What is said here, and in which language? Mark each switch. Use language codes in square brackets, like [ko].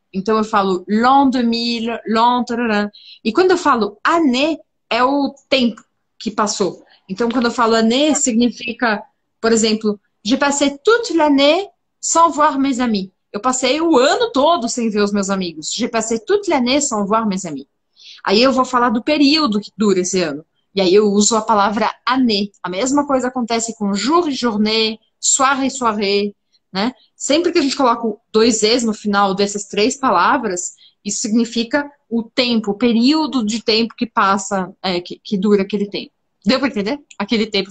[pt] Então, eu falo l'an 2000, l'an... E quando eu falo année, é o tempo que passou. Então, quando eu falo année, significa, por exemplo, [fr] je passais toute l'année sans voir mes amis. [pt] Eu passei o ano todo sem ver os meus amigos. [fr] Je passais toute l'année sans voir mes amis. [pt] Aí eu vou falar do período que dura esse ano. E aí eu uso a palavra année. A mesma coisa acontece com jour e journée, soir e soirée. Né? Sempre que a gente coloca dois Es no final dessas três palavras, isso significa o tempo, o período de tempo que passa, que dura aquele tempo. Deu para entender? Aquele tempo.